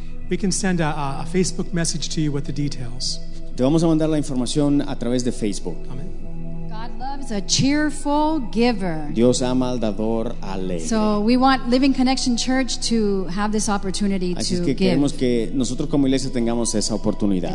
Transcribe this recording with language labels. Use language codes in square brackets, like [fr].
[en] We can send a Facebook message to you with the details. [es] Te vamos a mandar la información a través de Facebook. [en] Amen. God loves a cheerful giver. [es] Dios ama al dador alegre. [en] So we want Living Connection Church to have this opportunity to [es] Así es que queremos que nosotros como iglesia tengamos esa oportunidad.